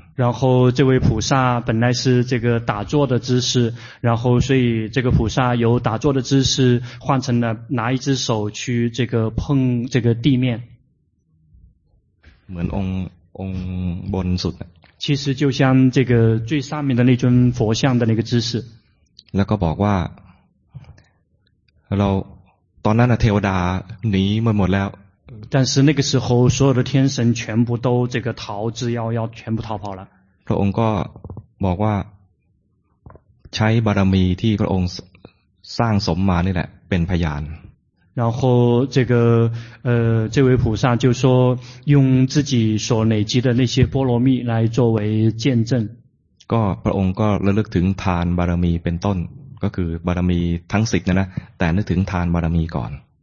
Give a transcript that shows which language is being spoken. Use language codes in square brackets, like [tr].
[zh] 然后这位菩萨本来是这个打坐的姿势，然后所以这个菩萨由打坐的姿势换成了拿一只手去这个碰这个地面。 [th] เหมือนองบนสุด [zh] 其实就像这个最上面的那尊佛像的那个姿势 [th] แล้วก็บอกว่าเราตอนนั้นเทวดาหนีมาหมดแล้ว [zh] 但是那个时候所有的天神全部都这个逃之夭夭全部逃跑了 [th] พระองค์ก็บอกว่าใช้บารมีที่พระองค์สร้างสมมานี่แหละเป็นพยาน [zh] 然后这个这位菩萨就说用自己所累积的那些波罗蜜来作为见证 [th] ก็พระองค์ก็ระลึกถึงทานบารมีเป็นต้นก็คือบารมีทั้งสิบนะนะแต่นึกถึงทานบารมีก่อน